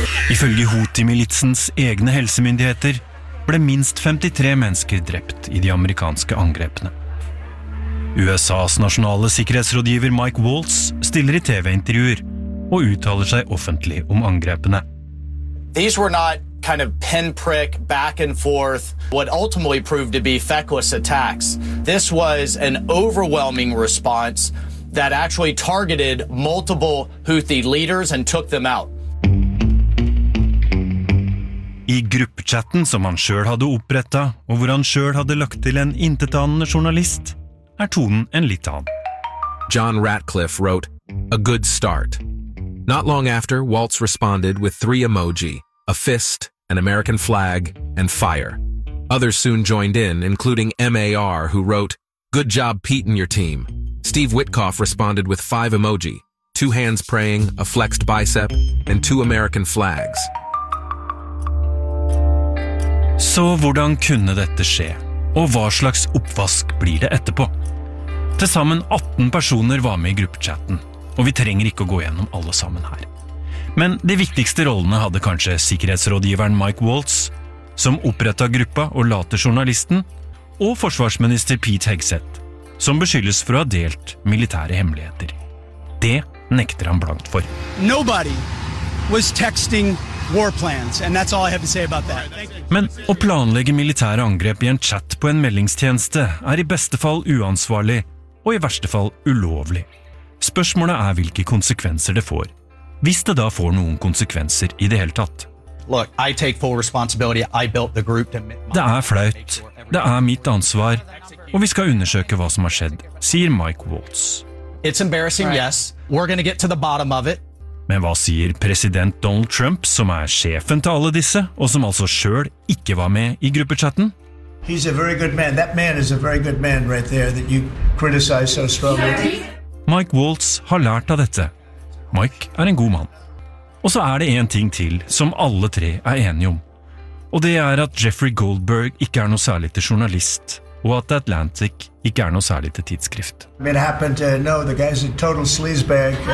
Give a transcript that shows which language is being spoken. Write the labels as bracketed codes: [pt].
[no] Ifølge Houthi-militsens egne helsemyndigheter ble minst 53 mennesker drept i de amerikanske angrepene. USAs nasjonale sikkerhetsrådgiver Mike Waltz stiller i TV-intervjuer og uttaler seg offentlig om angrepene. [en] These were not kind of pinprick back and forth what ultimately proved to be feckless attacks. This was an overwhelming response that actually targeted multiple Houthi leaders and took them out. [no] I gruppechatten som han selv hadde opprettet, og hvor han selv hadde lagt til en intetanende journalist, er tonen en litt annen. [en] John Ratcliffe wrote, "A good start." Not long after, Waltz responded with 3 emoji, a fist, an American flag, and fire. Others soon joined in, including MAR, who wrote, "Good job, Pete and your team." Steve Witkoff responded with 5 emoji, 2 hands praying, a flexed bicep, and 2 American flags. [no] Så hvordan kunne dette skje? Og hva slags oppvask blir det etterpå? Tilsammen 18 personer var med i gruppechatten, og vi trenger ikke å gå gjennom alle sammen her. Men de viktigste rollene hadde kanskje sikkerhetsrådgiveren Mike Waltz, som opprettet gruppa og later journalisten, og forsvarsminister Pete Hegseth, som beskyldes for å ha delt militære hemmeligheter. Det nekter han blankt for. [en] Nobody was texting war plans, and that's all I have to say about that. [no] Men å planlegge militære angrep i en chat på en meldingstjeneste er i beste fall uansvarlig, og i verste fall ulovlig. Spørsmålet er hvilke konsekvenser det får. Hvis det da får noen konsekvenser i det hele tatt. [en] Look, I take full responsibility. I built the group to... [no] Det er flaut. Det er mitt ansvar. Og vi skal undersøke hva som har skjedd, sier Mike Waltz. [en] It's embarrassing, yes. We're gonna get to the bottom of it. [no] Men hva sier president Donald Trump, som er sjefen til alle disse, og som altså selv ikke var med i gruppechatten? [en] He's a very good man. That man is a very good man right there that you criticize so strongly. [no] Mike Waltz har lært av dette. Mike er en god mann. Og så er det en ting til som alle tre er enige om. Og det er at Jeffrey Goldberg ikke er noe særlig til journalist, og at Atlantic ikke er noe særlig til tidsskrift. [en] It happened to know the guy's a total sleazebag.